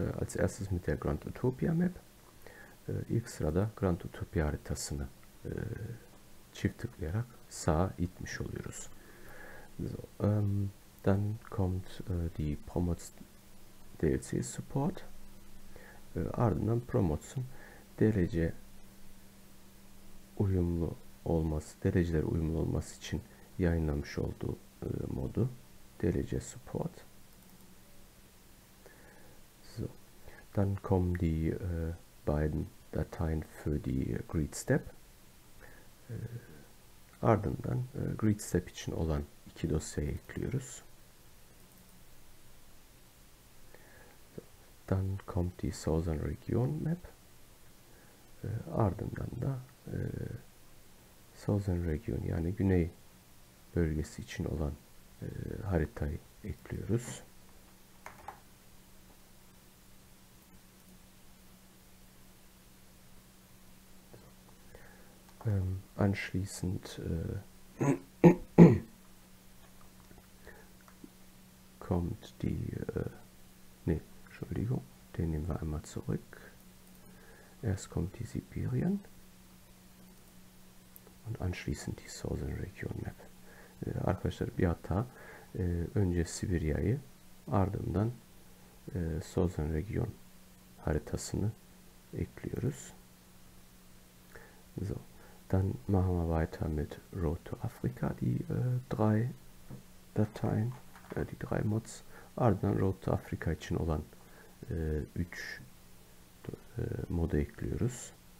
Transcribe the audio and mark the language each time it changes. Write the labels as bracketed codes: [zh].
[de] Als erstes mit der Grand Utopia Map. [tr] İlk sırada Grand Utopia haritasını çift tıklayarak sağa itmiş oluyoruz. [de] So, dann kommt die Promots DLC Support. [tr] Ardından Promots'un dereceler uyumlu olması için yayınlamış olduğu modu derece support. [de] Dann kommen die beiden Dateien für die Grid Step. [tr] Ardından Grid Step için olan iki dosyayı ekliyoruz. [de] Dann kommt die Southern Region Map. [tr] Ardından da Southern Region yani Güney bölgesi için olan haritayı ekliyoruz. [de] Anschließend kommt Entschuldigung, den nehmen wir einmal zurück. Erst kommt die Sibirien und anschließend die Southern Region Map. [tr] Arkadaşlar bir hata. Önce Sibirya'yı, ardından Southern Region haritasını ekliyoruz. [de] So, dann machen wir weiter mit Road to Africa, die drei Dateien, die drei Mods. [tr] Ardından Road to Africa için olan 3 modu ekliyoruz.